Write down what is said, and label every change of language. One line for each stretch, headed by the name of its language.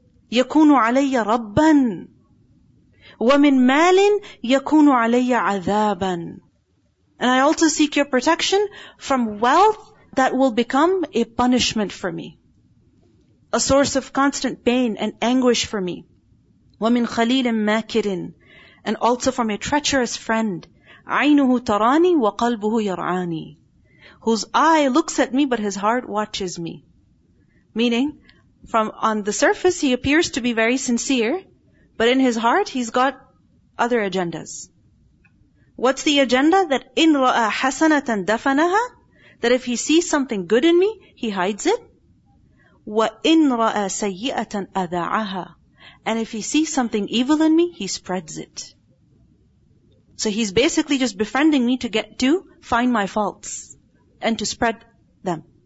Arabic: يَكُونُ عَلَيَّ رَبًّا وَمِنْ مَالٍ يَكُونُ عَلَيَّ عَذَابًا.
English: And I also seek your protection from wealth that will become a punishment for me. A source of constant pain and anguish for me.
Arabic: وَمِنْ خَلِيلٍ مَاكِرٍ.
English: And also from a treacherous friend.
Arabic: عَيْنُهُ تَرَانِي وَقَلْبُهُ يَرْعَانِي.
English: Whose eye looks at me, but his heart watches me. Meaning, from on the surface, he appears to be very sincere, but in his heart, he's got other agendas. What's the agenda?
Arabic: That إِنْ رَأَى حَسَنَةً دَفَنَهَا.
English: That if he sees something good in me, he hides it.
Arabic: وَإِنْ رَأَى سَيِّئَةً أَذَعَهَا.
English: And if he sees something evil in me, he spreads it. So he's basically just befriending me to get to find my faults and to spread them.